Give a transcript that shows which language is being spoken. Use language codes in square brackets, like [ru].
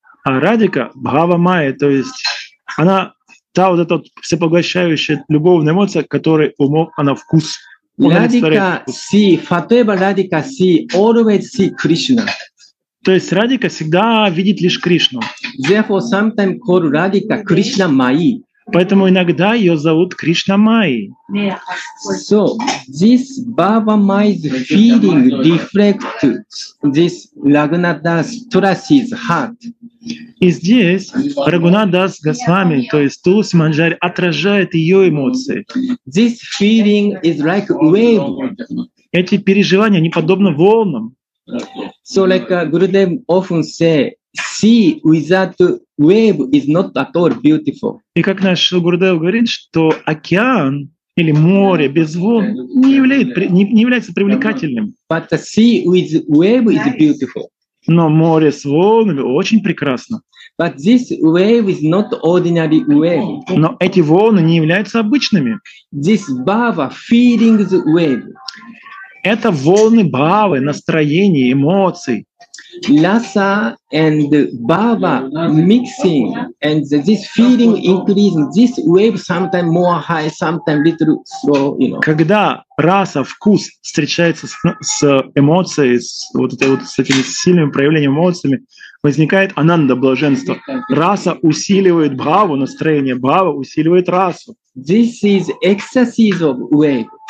[ru] А Радика — Бхава Майя, то есть она та вот эта вот всепоглощающая любовная эмоция, которой у Мохана вкус. [en] Radhika see, whatever Radhika see, always see Krishna. [ru] То есть Радика всегда видит лишь Кришну. [en] Therefore, sometimes call Radhika Krishna Mai. [ru] Поэтому иногда ее зовут Кришна Майи. [en] So this Baba Mai's feeling reflects this Raghunatha Tulasi's heart. [ru] И здесь Рагунадас Госвами, то есть Туласи Манджари, отражает ее эмоции. [en] This feeling is like wave. [ru] Эти переживания, они подобны волнам. [en] So like Gurudev often say, sea without wave is not at all beautiful. [ru] И как наш Гурудев говорит, что океан или море без волн не является, не является привлекательным. [en] But the sea with wave is beautiful. [ru] Но море с волнами очень прекрасно. [en] But this wave is not ordinary wave. [ru] Но эти волны не являются обычными. [en] This bhava feeling the wave. [ru] Это волны бхавы, настроения, эмоций. [en] Rasa and bhava mixing, and this feeling increasing. This wave sometimes more high, sometimes little slow, you know. [ru] Когда раса, вкус встречается с эмоцией, с вот этой вот с этими сильными проявлениями эмоциями, возникает ананда, блаженство. Раса усиливает бхаву, настроение бхавы усиливает расу. [en] This is ecstasy of wave.